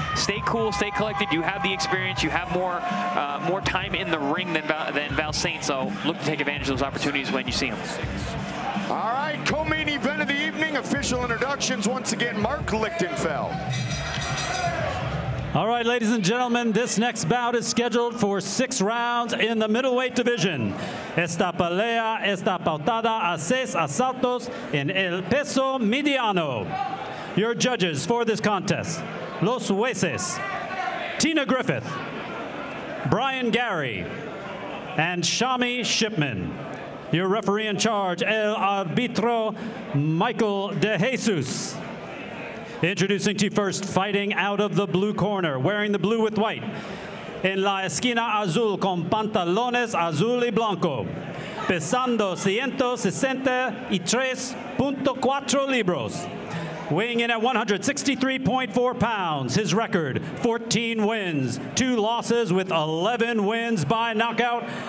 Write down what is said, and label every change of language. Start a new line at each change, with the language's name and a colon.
English: Stay cool, stay collected. You have the experience. You have more time in the ring than Valsaint, so look to take advantage of those opportunities when you see them. All right, co-main event of the evening. Official introductions once again, Mark Lichtenfeld. All right, ladies and gentlemen, this next bout is scheduled for 6 rounds in the middleweight division.
Spanish: Esta pelea está pautada a 6 asaltos en el peso mediano.
English: Your judges for this contest: Los Jueces, Tina Griffith, Brian Gary, and Shami Shipman. Your referee in charge, El Arbitro Michael De Jesus. Introducing to you first, fighting out of the blue corner, wearing the blue with white.
Spanish: En la esquina azul con pantalones azul y blanco. Pesando 163.4 libras.
English: Weighing in at 163.4 pounds, his record, 14 wins, 2 losses with 11 wins by knockout.